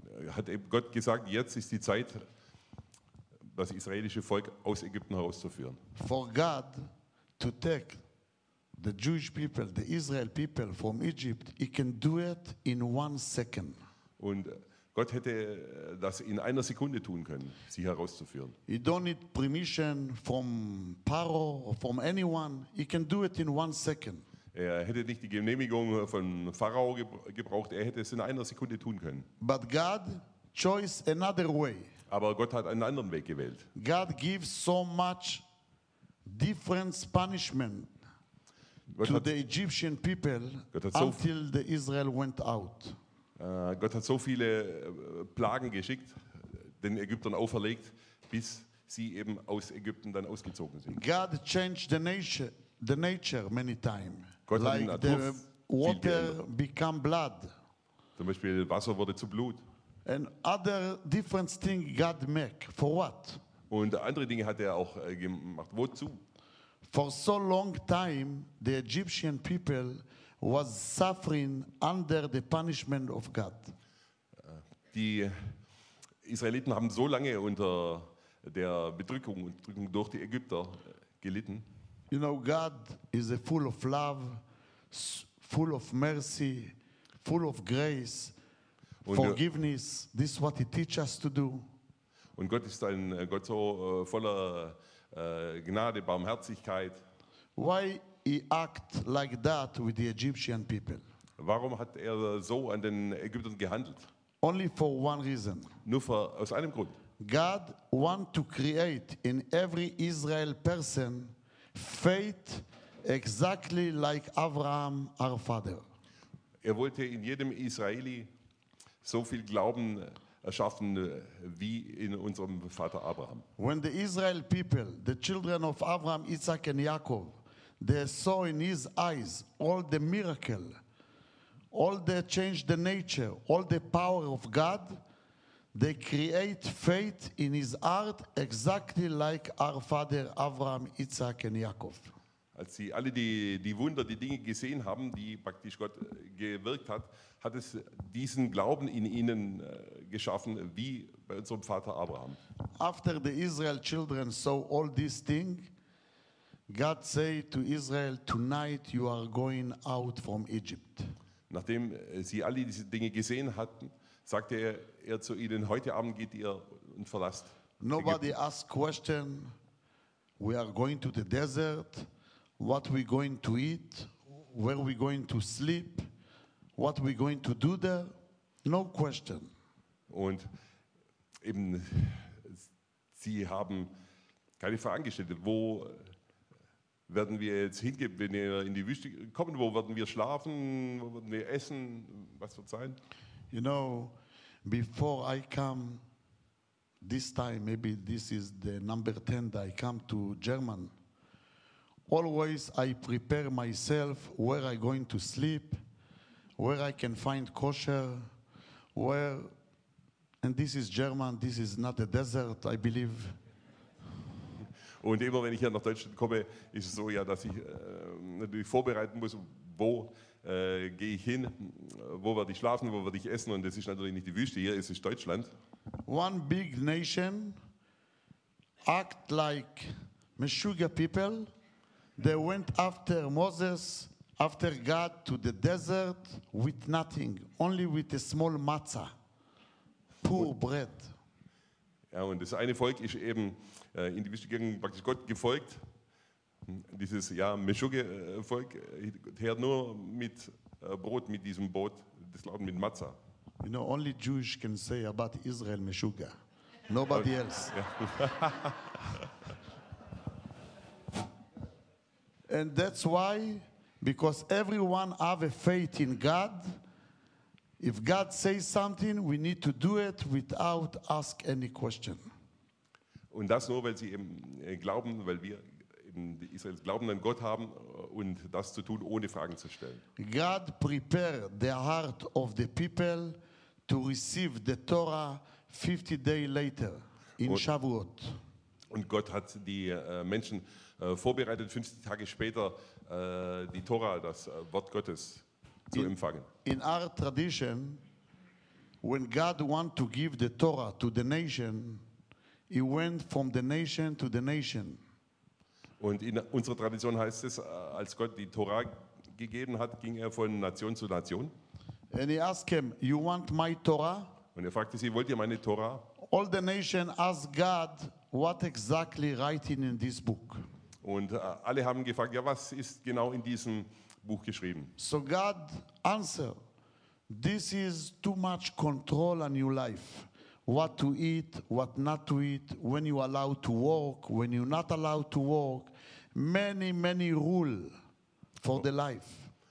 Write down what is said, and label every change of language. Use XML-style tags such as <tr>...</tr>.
<de>Hat Gott gesagt, jetzt ist die Zeit, das israelische Volk aus Ägypten herauszuführen.</de> <en>For God to take the Jewish people, the Israel people from Egypt, he can do it in one second.</en> <de>Und Gott hätte das in einer Sekunde tun können, sie herauszuführen.</de> <en>He don't need permission from Paro or from anyone. He can do it in one second.</en> <de>Er hätte nicht die Genehmigung von Pharao gebraucht, er hätte es in einer Sekunde tun können.</de> <en>But God chose another way.</en> <de>Aber Gott hat einen anderen Weg gewählt.</de> <en>God gives so much different punishment to the Egyptian people until the Israel went out.</en> <de>Gott hat so viele Plagen geschickt, den Ägyptern auferlegt, bis sie eben aus Ägypten dann ausgezogen sind.</de> <en>God changed the nature many times.</en> <de>Gott hat</de> <en>like the water become blood.</en> <de>Zum Beispiel Wasser wurde zu Blut.</de> <en>And other different things God make for what?</en> <de>Und andere Dinge hat er auch gemacht. Wozu?</de> <en>For so long time the Egyptian people was suffering under the punishment of God.</en> <de>Die Israeliten haben so lange unter der Bedrückung und Drückung durch die Ägypter gelitten.</de> <en>You know, God is a full of love, full of mercy, full of grace,</en> <de>und</de> <en>forgiveness. This is what he teaches us to do.</en> <de>Und Gott ist ein Gott so voller Gnade, Barmherzigkeit.</de> <en>Why he act like that with the Egyptian people?</en> <de>Warum hat er so an den Ägyptern gehandelt?</de> <en>Only for one reason.</en> <de>Nur für, aus einem Grund.</de> <en>God want to create in every Israel person faith exactly like Abraham, our father.</en> <de>Er wollte in jedem Israeli so viel Glauben erschaffen wie in unserem Vater Abraham.</de> <en>When the Israel people, the children of Abraham, Isaac and Jacob, they saw in his eyes all the miracle, all the change the nature, all the power of God, they create faith in his heart exactly like our father Abraham, Isaac and Jacob.</en> <de>Als sie alle die Wunder, die Dinge gesehen haben, die praktisch Gott gewirkt hat, hat es diesen Glauben in ihnen geschaffen, wie bei unserem Vater Abraham.</de> <en>After the Israel children saw all these things, God said to Israel, tonight you are going out from Egypt.</en> <de>Nachdem sie alle diese Dinge gesehen hatten, sagte er zu ihnen, heute Abend geht ihr und verlasst Ägypten.</de> <en>Nobody asked question, we are going to the desert, what we going to eat, where we going to sleep, what we going to do there, no question.</en> <de>Und eben, sie haben keine Fragen gestellt, wo werden wir jetzt hingehen, wenn wir in die Wüste kommen, wo werden wir schlafen, wo werden wir essen, was wird sein?</de> <en>You know, before I come this time, maybe this is the number 10 that I come to German, always I prepare myself where I going to sleep, where I can find kosher, where, and this is German, this is not a desert, I believe.</en> <de>Und immer wenn ich hier nach Deutschland komme, ist es so, ja, dass ich natürlich vorbereiten muss, wo gehe ich hin, wo werde ich schlafen, wo werde ich essen, und das ist natürlich nicht die Wüste hier, es ist Deutschland.</de> <en>One big nation act like Meshuggah people, they went after Moses, after God to the desert with nothing, only with a small matzah, poor bread.</en> <de>Ja, und das eine Volk ist eben in die Wüste gegangen, praktisch Gott gefolgt. Dieses, ja, Meshuggah-Volk, her nur mit Brot, mit diesem Brot, das Glauben mit matzah.</de> <en>You know, only Jews can say about Israel Meshuggah, nobody else. And that's why, because everyone have a faith in God, if God says something, we need to do it without ask any question.</en> <de>Und das nur, weil sie eben glauben, weil wir eben die Israelis glauben an Gott haben und das zu tun, ohne Fragen zu stellen.</de> <en>God prepare the heart of the people to receive the Torah 50 days later in Shavuot.</en> <de>Und Gott hat die Menschen vorbereitet, 50 Tage später die Tora, das Wort Gottes, zu empfangen.</de> <en>In our tradition, when God want to give the Torah to the nation, he went from the nation to the nation.</en> <de>Und in unserer Tradition heißt es, als Gott die Tora gegeben hat, ging er von Nation zu Nation.</de> <en>And he asked him, you want my Torah?</en> <de>Und er fragte sie, wollt ihr meine Tora?</de> <en>All the nation asked God, what exactly writing in this book?</en> <de>Und alle haben gefragt, ja, was ist genau in diesem Buch geschrieben?</de> <en>So God answer, this is too much control on your life. what to eat, what not to eat, when you are allowed to walk, when you're not allowed to walk. Many, many rules for the life.</en>